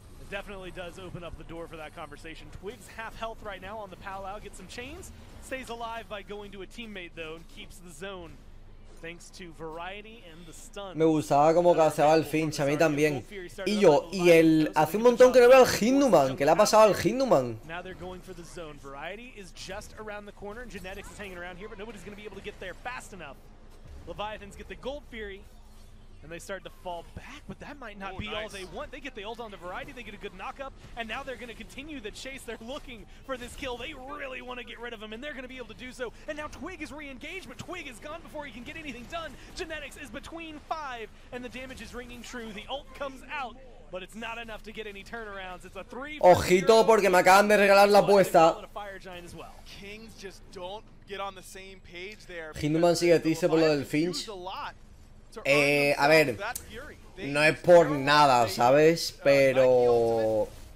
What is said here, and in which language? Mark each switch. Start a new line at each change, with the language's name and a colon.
English: Definitely does open up the door for that conversation. Twig's half health right now on the powwow. Gets some chains. Stays alive by going to a teammate though and keeps the zone. Thanks to variety and the stun.
Spanish: Me gustaba como caseaba el Finch, a mí también. Y yo, y el... Hace un montón que no veo al Hinduman. ¿Qué le ha pasado al Hinduman?
English: Now they're going for the zone. Variety is just around the corner. Genetics is hanging around here, but nobody's going to be able to get there fast enough. Leviathans get the gold fury. And they start to fall back, but that might not be nice. All they want. They get the ult on the variety, they get a good knockup, and now they're going to continue the chase. They're looking for this kill. They really want to get rid of him, and they're going to be able to do so. And now Twig is re-engaged, but Twig is gone before he can get anything done. Genetics is between five, and the damage is ringing true. The ult comes out, but it's not enough to get any turnarounds. It's a 3-0.
Spanish: Ojito, porque me acaban de regalar la apuesta.
English: Kings just don't get on the same page there.
Spanish: Hinduman sigue triste por lo del Finch. A ver, no es por nada, ¿sabes? Pero